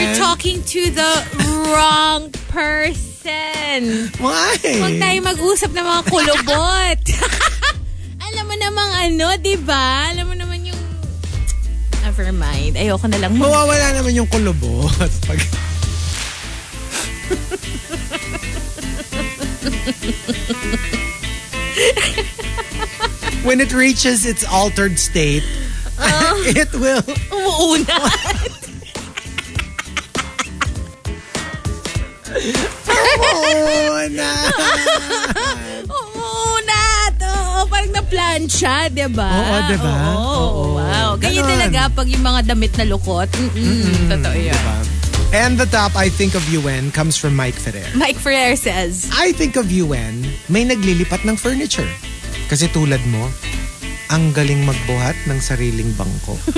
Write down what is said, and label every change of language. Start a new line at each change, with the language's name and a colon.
English: You're talking to the wrong person. Why?
Filipino: Huwag tayo mag-usap ng mga kulubot. Alam mo namang ano, diba? Alam mo naman yung... Never mind. Ayoko na lang. Mawawala naman yung kulubot. Pag...
English: When it reaches its altered state, it will.
Filipino: Umuuna. Umuuna. Umuuna. Parang na plancha, di ba? Oo, di ba? Oo, wow. Ganyan talaga pag yung mga damit na lukot. Totoo yun. Diba?
English: And the top I think of you when comes from Mike Ferrer. Mike Ferrer says, I think of you when
Filipino: may naglilipat ng furniture. Kasi tulad mo, ang galing magbuhat ng sariling bangko.